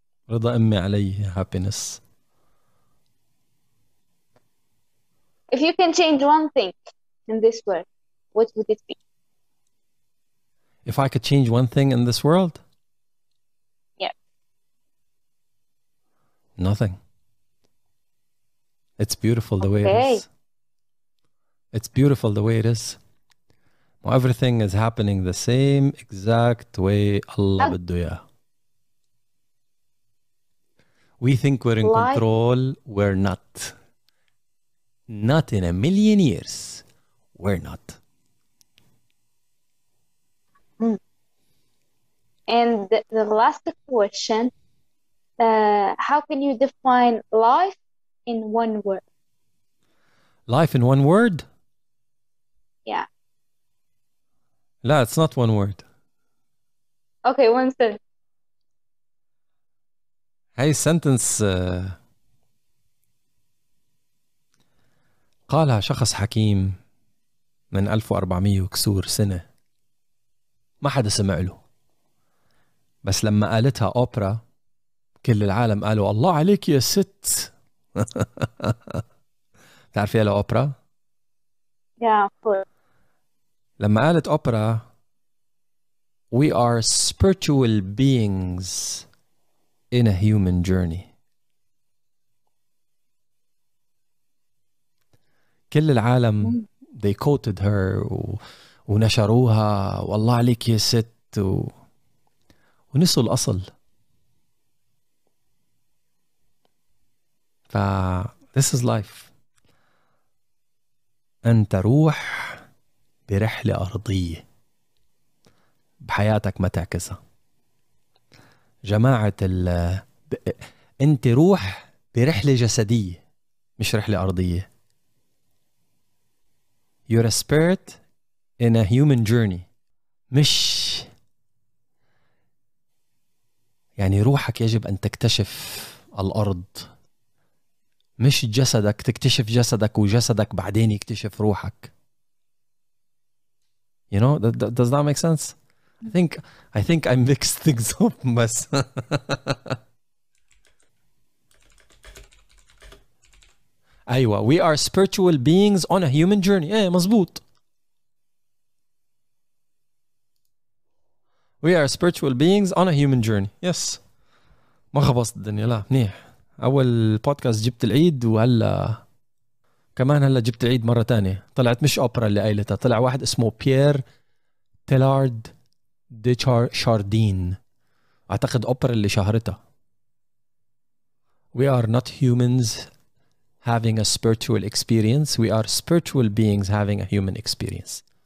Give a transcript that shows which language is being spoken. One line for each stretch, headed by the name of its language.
Arabic: رضا أمي علي،
English: happiness. If you can change one thing in this world, what would it be? If I could change one thing in this world? Yeah. Nothing. It's beautiful the way it is. It's beautiful the way it is. Everything is happening the same exact way Allah
Arabic: بده إياه.
English: We think we're in control. We're not. Not in a million years. We're not. And the last question, how can you define life in one word? Life in one word? Yeah.
Arabic: لا,
English: it's not one word. Okay, one sentence.
Arabic: هاي سنتنس قالها شخص حكيم من 1400 وكسور سنة، ما حدا سمع له، بس لما قالتها أوبرا كل العالم قالوا الله عليك يا ست. تعرفيها لأوبرا؟
English: yeah,
Arabic: لما قالت أوبرا
English: We are spiritual beings in a human journey.
Arabic: كل العالم
English: they quoted her
Arabic: ونشروها والله عليك يا ست ونسوا الأصل.
English: ف this is life.
Arabic: أنت روح برحلة أرضية بحياتك ما تعكسها جماعة أنت روح برحلة جسدية مش رحلة أرضية.
English: You're a spirit in a human journey.
Arabic: مش يعني روحك يجب أن تكتشف الأرض مش جسدك تكتشف جسدك وجسدك بعدين يكتشف روحك.
English: You know, does that make sense? I think I mixed things up.
Arabic: بس أيوة,
English: we are spiritual beings on a human journey.
Arabic: إيه مزبوط.
English: We are spiritual beings on a human journey. Yes.
Arabic: ما خبصت الدنيا لا منيح. أول بودكاست جبت العيد وهلا كمان هلا جبت العيد مرة تانية. طلعت مش أوبرا اللي قايلتها, طلع واحد اسمه بيير تيلارد دي شاردين, أعتقد أوبرا اللي شهرتها.
English: We are not humans having a spiritual experience, we are spiritual beings having a human experience.